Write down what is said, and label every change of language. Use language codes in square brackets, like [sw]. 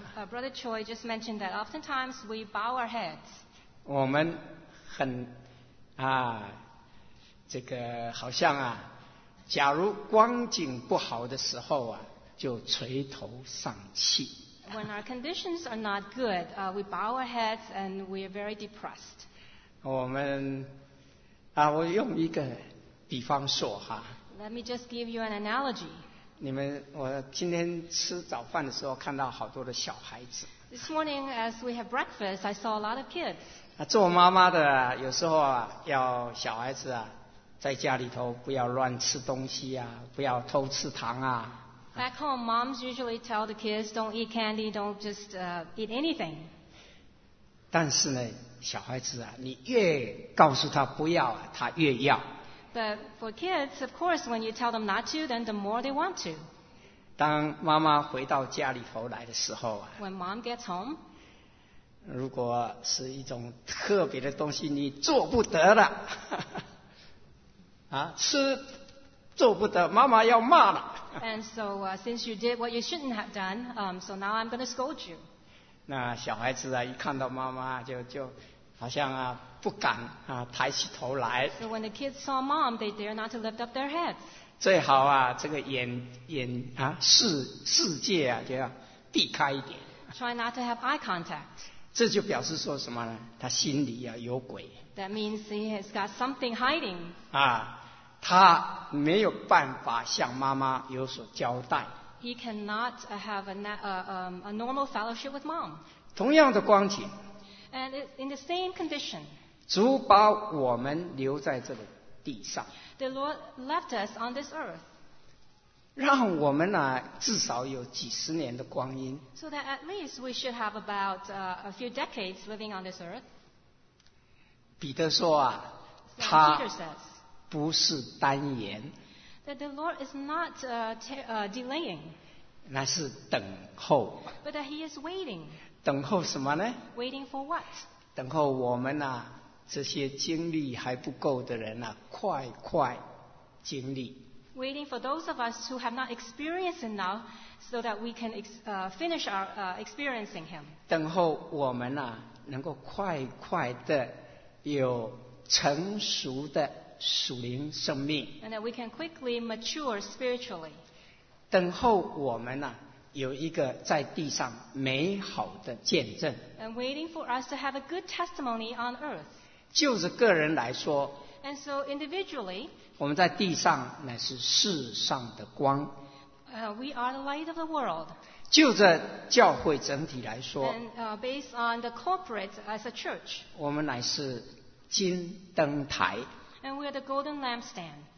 [en] Brother Choi just mentioned that oftentimes we bow our heads. [zh] 我们很啊，这个好像啊，假如光景不好的时候啊，就垂头丧气。 [en] When our conditions are not good, we bow our heads and we are very depressed. [zh] 我们啊，我用一个比方说哈。 [en] Let me just give you an analogy. [zh] 你们，我今天吃早饭的时候看到好多的小孩子。 [en] This morning, as we have breakfast, I saw a lot of kids. [zh] 做妈妈的有时候啊，要小孩子啊，在家里头不要乱吃东西啊，不要偷吃糖啊。 [en] Back home, moms usually tell the kids, "Don't eat candy, don't just eat anything." [zh] 但是呢，小孩子啊，你越告诉他不要，他越要。 [en] But for kids, of course, when you tell them not to, then the more they want to. [zh] 当妈妈回到家里头来的时候啊， [en] when mom gets home, [zh] 如果是一种特别的东西，你做不得了，啊，吃做不得，妈妈要骂了。 [en] And so, since you did what you shouldn't have done, so now I'm going to scold you. [zh] 那小孩子啊，一看到妈妈就好像啊。不敢啊，抬起头来。 [en] So when the kids saw mom, they dare not to lift up their heads. [zh] 最好啊，这个眼啊，世界啊，就要避开一点。 [en] Try not to have eye contact. [zh] 这就表示说什么呢？他心里啊有鬼。 [en] That means he has got something hiding. [zh] 啊，他没有办法向妈妈有所交代。 [en] He cannot have a normal fellowship with mom. [zh] 同样的光景。 [en] And in the same condition. [zh] 主把我们留在这个地上。 [en] The Lord left us on this earth. [zh] 让我们呢、啊、至少有几十年的光阴。 [en] So that at least we should have about a few decades living on this earth. [zh] 彼得说啊，他不是单言。 [en] That the Lord is not delaying. [zh] 那是等候。 [en] But that he is waiting. [zh] 等候什么呢 [en] ？Waiting for what？ [zh] 等候我们呢、啊？这些经历还不够的人啊，快快经历。 [en] Waiting for those of us who have not experienced enough, so that we can finish our experiencing Him. [zh] 等候我们啊，能够快快的有成熟的属灵生命。 [en] And that we can quickly mature spiritually. [zh] 等候我们啊。有一个在地上美好的见证。 [en] And waiting for us to have a good testimony on earth. [zh] 就是个人来说。 [en] And so individually. [zh] 我们在地上乃是世上的光。 [en] We are the light of the world. [zh] 就着教会整体来说。 [en] And based on the corporate as a church. [zh] 我们乃是金灯台。 [en] And we are the golden lampstand.